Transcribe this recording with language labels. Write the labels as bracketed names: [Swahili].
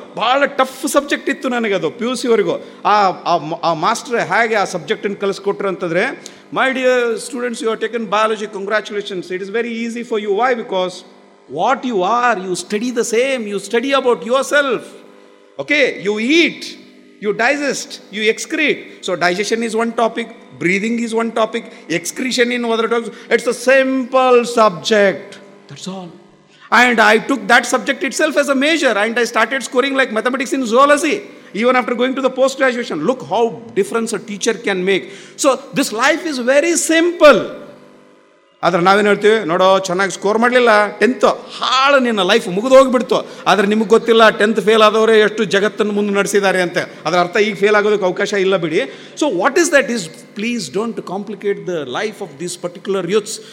[Kannada] ಭಾಳ tough subject ಇತ್ತು ನನಗೆ ಅದು ಪಿ ಯು ಸಿವರೆಗೂ. ಆ ಮಾಸ್ಟರ್ ಹೇಗೆ ಆ ಸಬ್ಜೆಕ್ಟನ್ನು ಕಲಿಸ್ಕೊಟ್ರು ಅಂತಂದರೆ, [English] My dear students, you are taken biology, congratulations, it is very easy for you. Why? Because what you are you study the same, you study about yourself. Okay, you eat, you digest, you excrete. So digestion is one topic, breathing is one topic, excretion in other topic. It's a simple subject, that's all. And I took that subject itself as a major, and I started scoring like mathematics in zoology, even after going to the post-graduation. Look how difference a teacher can make. So this life is very simple. [Kannada] ಆದ್ರೆ ನಾವೇನು ಹೇಳ್ತೀವಿ, ನೋಡೋ ಚೆನ್ನಾಗಿ score ಮಾಡಲಿಲ್ಲ, tenth ಹಾಳ, ನಿನ್ನ life ಮುಗಿದೋಗ್ಬಿಡ್ತು. ಆದರೆ ನಿಮಗೆ ಗೊತ್ತಿಲ್ಲ ಟೆಂತ್ ಫೇಲ್ ಆದವರೇ ಎಷ್ಟು ಜಗತ್ತನ್ನು ಮುಂದೆ ನಡೆಸಿದ್ದಾರೆ ಅಂತ. ಅದರ ಅರ್ಥ ಈಗ ಫೇಲ್ ಆಗೋದಕ್ಕೆ ಅವಕಾಶ ಇಲ್ಲ ಬಿಡಿ. [English] So what is that is, please don't complicate the life of these particular youths.